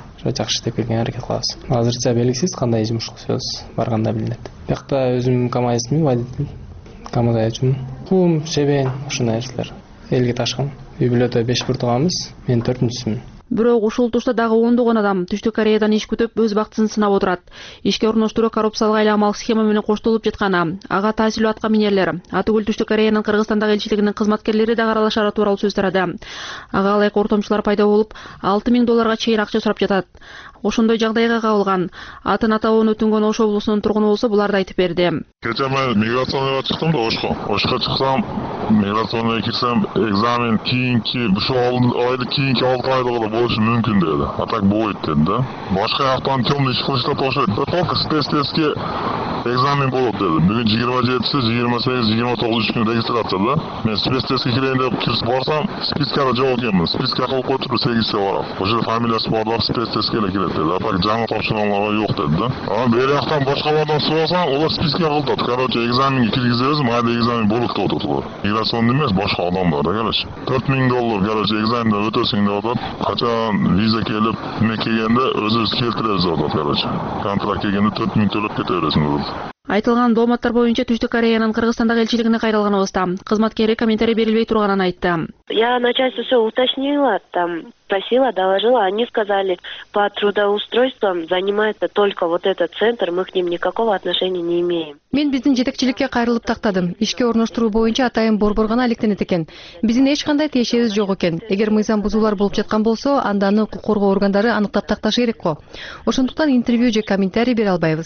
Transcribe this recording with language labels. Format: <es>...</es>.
<ky>Ошо жакшы иштеп келген аракет кылабыз. Азырча белгисиз кандай жумуш кылсабыз, барганда билинет. Бияқта өзүм КАМАЗмин, водитель. КАМАЗ айчумун. Кум, Шебен, ушундай нерселер. Элге ташкан. Үй бүлөдө 5 буртугабыз, мен 4-түсүмүн. Бирок ушул турушта дагы ондогон адам Түштүк Кореядан иш күтүп өз бактысын сынап отурат. Ишке орноштуруу коррупциялык айла амал схема менен коштолуп жатканы, ага таасирлүү атка минерлер, атүгүл Түштүк Кореянын Кыргызстандагы элчилигинин кызматкерлери да аралашары тууралуу сөз тарады. Ага алайык ортомчулар пайда болуп 6000 долларга чейин акча сурап жатат. Ошондой жагдайга кабылган атын атабын өтүнгөн Ош облусунун тургуну болсо буларды айтып берди. Кече мен миграцияга чыктым да Ошко. Ошко чыксам, миграцияга кирсем экзамен кийинки кийинки 6 айда болот. Болушу мүмкүн деди. А так болбойт деди да. Башка жактан темный иш кылышта толушат. Только тест-тестке экзамен болот деди. Бүгүн 27-си, 28-си, 29-чу күнү регистрация да. Мен тест-тестке кирейин деп кирип барсам, спискада жок экенмин. Списка кылып койтуп 8-се барам. Ошол фамилиясы барлар тест-тестке эле кирет деди. А так жаңы тапшырганлар жок деди да. Анан бери жактан башкалардан сурасаң, алар списка кылтат. Короче, экзаменге киргизебиз, майда экзамен болот деп отурат алар. Миграциондун эмес, башка адамдар да, короче. 4000 доллар, короче, экзамендан өтөсүң деп атат. Качан виза келип, эме келгенде өзүбүз келтиребиз деп атат. Контракт келгенде 4000 төлөп кете бересиң. Айтылган дооматтар боюнча Түштүк Кореянын Кыргызстандагы элчилигине кайрылганыбызда кызматкери комментарий берилбей турганын айтты.</ky> <ru>Я начальству все уточнила, там просила, доложила, они сказали, по трудоустройствам занимается только вот этот центр, мы к ним никакого отношения не имеем.</ru> <ky>Мен биздин жетекчиликке кайрылып тактадым. Ишке орноштуруу боюнча атайын борбор гана иликтенет экен. Биздин эч кандай тиешебиз жок экен. Эгер мыйзам бузуулар болуп жаткан болсо, анда аны укук коргоо органдары аныктап такташы керек го. Ошондуктан интервью же комментарий бере албайбыз.</ky>